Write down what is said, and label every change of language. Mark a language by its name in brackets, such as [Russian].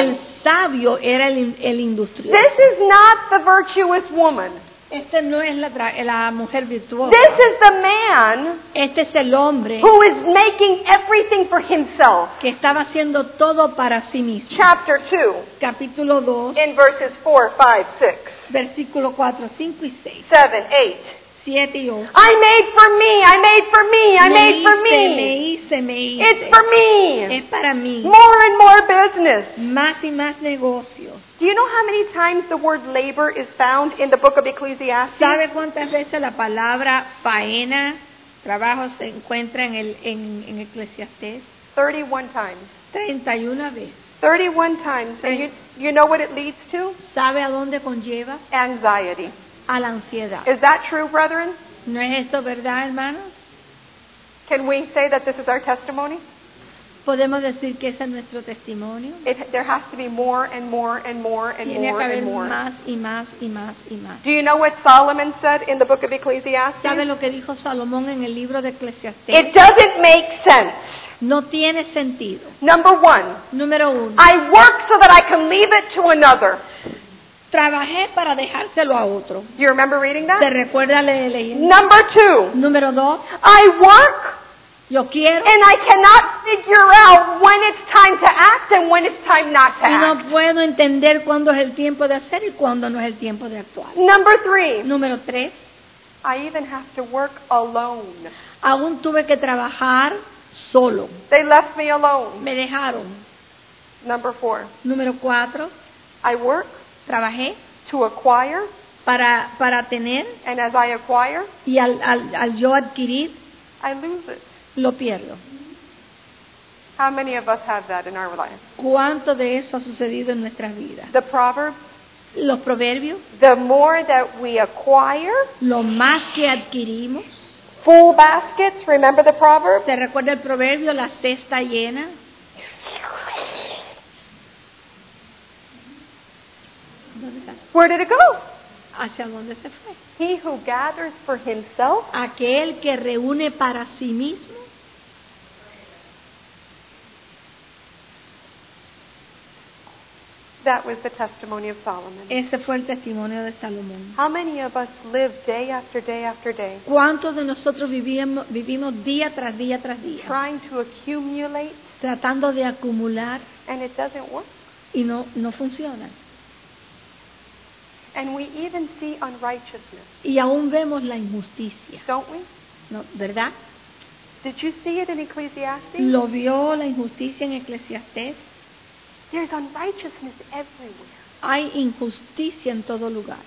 [Spanish] El sabio era el industrioso. [English] This is not the virtuous woman. [Spanish] Este no es la mujer virtuosa. [English] This is the man. [Spanish] Este es el hombre [English] who is making everything for himself. [Spanish] Que estaba haciendo todo para sí mismo. [English] Chapter 2. [Spanish] Capítulo 2. [English] In verses 4, 5, 6. [Spanish] Versículo 4, 5 y 6. [English] 7, 8. I made for me, I made for me, I made for me. [Spanish] Me hice. [English] It's for me. [Spanish] Es para mí. [English] More and more business. [Spanish] Más y más negocios. [English] Do you know how many times the word labor is found in the book of Ecclesiastes? [Spanish] ¿Sabe cuántas veces la palabra faena, trabajo, se encuentra en Ecclesiastes? [English] 31 times. [Spanish] 31 veces. [English] 31 times. And you know what it leads to? [Spanish] ¿Sabe a dónde conlleva? [English] Anxiety. [Spanish] A la ansiedad. [English] Is that true, brethren? [Spanish] ¿No es esto verdad, hermanos? [English] Can we say that this is our testimony? [Spanish] ¿Podemos decir que ese es nuestro testimonio? [English] There has to be more and more and more and [Spanish] tiene [English] more and more. [Spanish] Más y más y más y más. [English] Do you know what Solomon said in the book of Ecclesiastes? [Spanish] ¿Sabe lo que dijo Salomón en el libro de Eclesiastés? [English] It doesn't make sense. [Spanish] No tiene sentido. [English] Number one. [Spanish] Número uno. [English] I work so that I can leave it to another. [Spanish] Trabajé para dejárselo a otro. [English] You remember reading that? [Spanish] ¿Te recuerdas leyendo? [English] Number two. [Spanish] Número dos. [English] I work. [Spanish] Yo quiero. [English] And I cannot figure out when it's time to act and when it's time not to act. [Spanish] Y no puedo entender cuándo es el tiempo de hacer y cuándo no es el tiempo de actuar. [English] Number three. [Spanish] Número tres. [English] I even have to work alone. [Spanish] Aún tuve que trabajar solo. [English] They left me alone. [Spanish] Me dejaron. [English] Number four. [Spanish] Número cuatro. [English] I work. [Spanish] Trabajé [English] to acquire [Spanish] para tener [English] and as I acquire, [Spanish] y al yo adquirir [English] I lose it. [Spanish] Lo pierdo. [English] How many of us have that in our lives? [Spanish] ¿Cuánto de eso ha sucedido en nuestras vidas? [English] The proverb, [Spanish] los proverbios, [English] the more that we acquire, [Spanish] lo más que adquirimos, [English] full baskets, remember the proverb? [Spanish] ¿Te recuerda el proverbio, la cesta llena? [English] Where did it go? [Spanish] ¿Hacia dónde se fue? [English] He who gathers for himself. [Spanish] Aquel que reúne para sí mismo. [English] That was the testimony of Solomon. [Spanish] Ese fue el testimonio de Salomón. [English] How many of us live day after day after day? [Spanish] ¿Cuántos de nosotros vivimos día tras día tras día? [English] Trying to accumulate. [Spanish] Tratando de acumular. [English] And it doesn't work. [Spanish] Y no funciona. [English] And we even see unrighteousness. [Spanish] Y aún vemos la injusticia. [English] Don't we? [Spanish] No, ¿verdad? [English] Did you see it in Ecclesiastes? [Spanish] ¿Lo vio la injusticia en Eclesiastés? [English] There's unrighteousness everywhere. [Spanish] Hay injusticia en todo lugar.